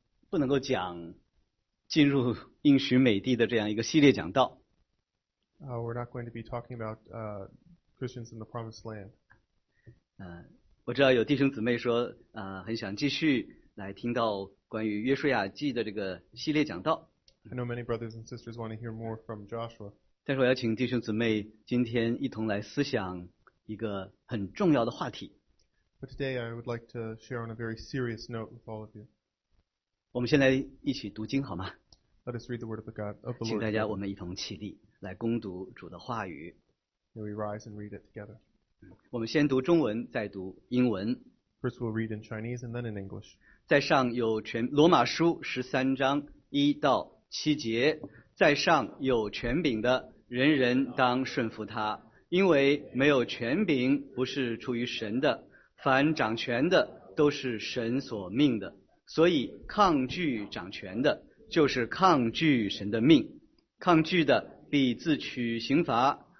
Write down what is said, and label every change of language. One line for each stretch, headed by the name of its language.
Chinese: 不能够讲进入应许美地的这样一个系列讲道。
English: We're not going to be talking about Christians in the Promised Land.
Chinese: 我知道有弟兄姊妹说很想继续来听到关于约书亚记的这个系列讲道。
English: I know many brothers and sisters want to hear more from Joshua.
Chinese: 但是我要请弟兄姊妹今天一同来思想一个很重要的话题。
English: But today I would like to share on a very serious note with all of you.
Chinese: 我们先来一起读经好吗
English: ？Let us read the word of the God of the Lord.
Chinese: 请大家我们一同起立来恭读主的话语。
English: May we rise and read it together.
Chinese: 我们先读中文，再读英文。
English: First we'll read in Chinese and then in English.
Chinese: 在上有全罗马书十三章一到七节，在上有权柄的，人人当顺服他，因为没有权柄不是出于神的，凡掌权的都是神所命的，所以抗拒掌权的就是抗拒神的命，抗拒的必自取刑罚。